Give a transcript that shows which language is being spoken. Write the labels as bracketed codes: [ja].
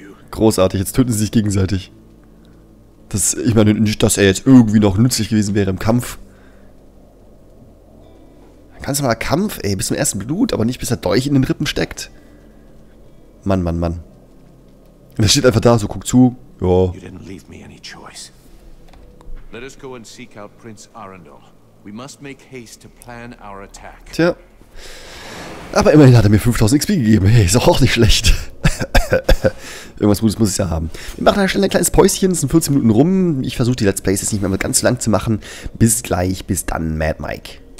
[de] Großartig, jetzt töten sie sich gegenseitig. Das, ich meine nicht, dass er jetzt irgendwie noch nützlich gewesen wäre im Kampf. Ganz normaler Kampf, ey, bis zum ersten Blut, aber nicht bis der Dolch in den Rippen steckt. Mann, Mann, Mann. Und er steht einfach da, so guckt zu. Jo. [en] You didn't leave me any choice. Let us go and seek out Prince Arundel. We must make haste to plan our attack. [de] Tja. Aber immerhin hat er mir 5000 XP gegeben. Hey, ist auch nicht schlecht. Irgendwas Gutes muss ich ja haben. Wir machen an der Stelle ein kleines Päuschen, es sind 14 Minuten rum. Ich versuche die Let's Plays jetzt nicht mehr ganz so lang zu machen. Bis gleich, bis dann, Mad Mike.